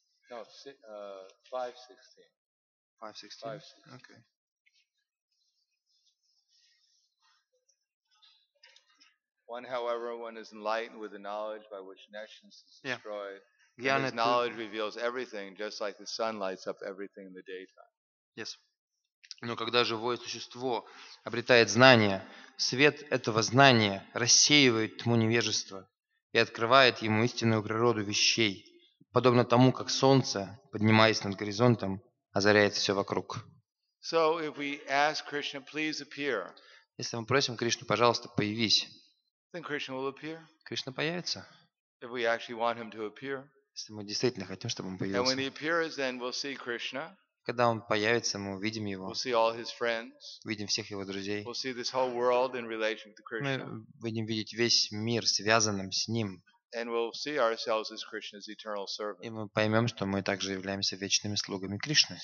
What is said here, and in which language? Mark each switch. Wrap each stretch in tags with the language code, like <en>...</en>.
<en>No, 5:16. Okay. One, however, one is enlightened with the knowledge by which nations is destroyed. Yeah. And his knowledge reveals everything, just like the sun lights up everything in the daytime. Yes.</en> <ru>Но когда живое существо обретает знание, свет этого знания рассеивает тьму невежества и открывает ему истинную природу вещей, подобно тому, как солнце, поднимаясь над горизонтом, озаряет все вокруг.</ru> <en>So if we ask Krishna, please appear.</en> <ru>Если мы просим Кришну, пожалуйста, появись.</ru> <en>Then Krishna will appear.</en> <ru>Кришна появится.</ru> <en>If we actually want him to appear,</en> <ru>если мы действительно хотим, чтобы он появился,</ru> <en>and when he appears, then we'll see Krishna.</en> <ru>Когда он появится, мы увидим его.</ru> <en>We'll see all his friends.</en> <ru>Увидим всех его друзей.</ru> <en>We'll see this whole world in relation to Krishna.</en> <ru>Мы будем видеть весь мир связанным с ним.</ru> <en>And we'll see ourselves as Krishna's eternal servant.</en> <ru>И мы поймем, что мы также являемся вечными слугами Кришны.</ru>